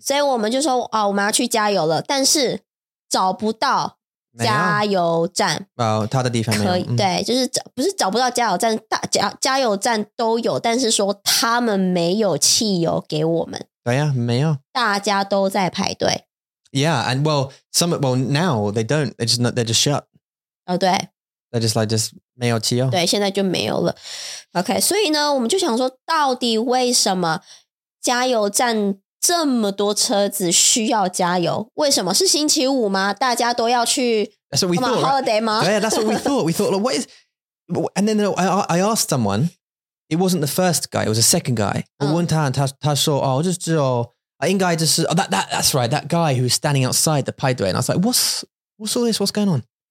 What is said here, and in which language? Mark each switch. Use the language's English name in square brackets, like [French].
[Chinese] 所以我们就说啊、哦、我们要去加油了但是找不到加油站。哦他的地方没有。可以、嗯、对就是不是找不到加油站大 加油站都有但是说他们没有汽油给我们。对呀、啊、没有。大家都在排队。 [English] Yeah, and well, some, well, now they don't, they're just shut. [Chinese] Oh, 对。 [English] They're just like, just [Chinese] 没有汽油。对,现在就没有了。 Okay, 所以呢,我们就想说,到底为什么加油站这么多车子需要加油? 为什么?是星期五吗?大家都要去 [English] That's what we thought, right? holiday [Chinese] 吗? [English] Yeah, that's what we thought. We thought, like, what is, and then I asked someone, it wasn't the first guy, it was the second guy. [Chinese] 我问他,他说,哦,就只有 [English] I think I just, oh, that's right, that guy who was standing outside the [Chinese] 派对 [English] and I was like, what's all this? What's going on?